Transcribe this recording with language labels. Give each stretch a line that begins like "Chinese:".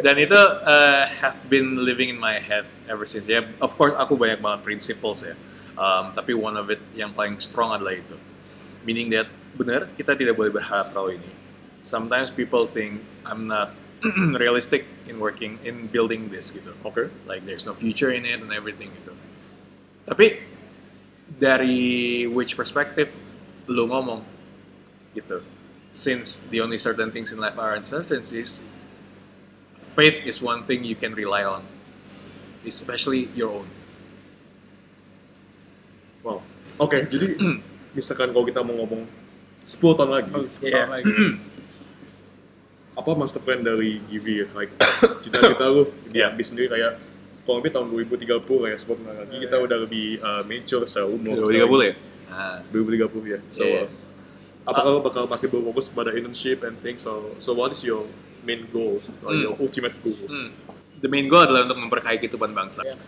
Indonesian: Dan itu
English: have been living in my head ever since. Yeah, of course
Indonesian: aku banyak banget principles ya. Tapi
English: one of it
Indonesian: yang paling strong adalah itu. Meaning that benar kita tidak boleh berharap terlalu ini.
English: Sometimes people think I'm not realistic in working in building this gitu. Okay. Like there's no future in it and everything gitu.
Indonesian: Tapi dari
English: which perspective
Indonesian: lu ngomong gitu,
English: since the only certain things in life are uncertainties, faith is one thing you can rely on, especially your own. Wow, okay.
Indonesian: Jadi misalkan kalau kita mau ngomong 10 tahun lagi, apa master plan dari GV ya? Like cita-cita lu di sendiri kayak kalau lebih tahun 2030 kayak sebut nggak lagi kita udah lebih mature seumur 2030 ya? 2030 ya. So apakah lo bakal masih berfokus pada
English: internship and things? So what is your main goals or your ultimate goals? The main goal
Indonesian: adalah untuk memperkaya kehidupan bangsa.